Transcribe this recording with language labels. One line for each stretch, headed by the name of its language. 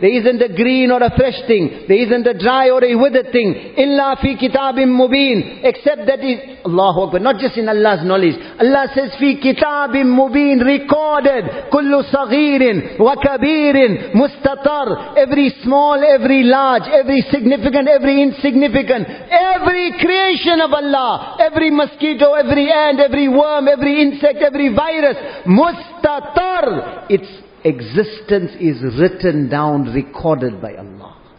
English: There isn't a green or a fresh thing. There isn't a dry or a withered thing.
Arabic: إِلَّا فِي كِتَابٍ مُبِينٍ.
English: Except that is Allahu Akbar. Not just in Allah's knowledge. Allah says,
Arabic: فِي كِتَابٍ مُبِينٍ.
English: Recorded.
Arabic: كُلُّ صَغِيرٍ وَكَبِيرٍ مُسْتَطَرٍ.
English: Every small, every large, every significant, every insignificant. Every creation of Allah. Every mosquito, every ant, every worm, every insect, every virus.
Arabic: مُسْتَطَرٍ.
English: Its existence is written down, recorded by Allah.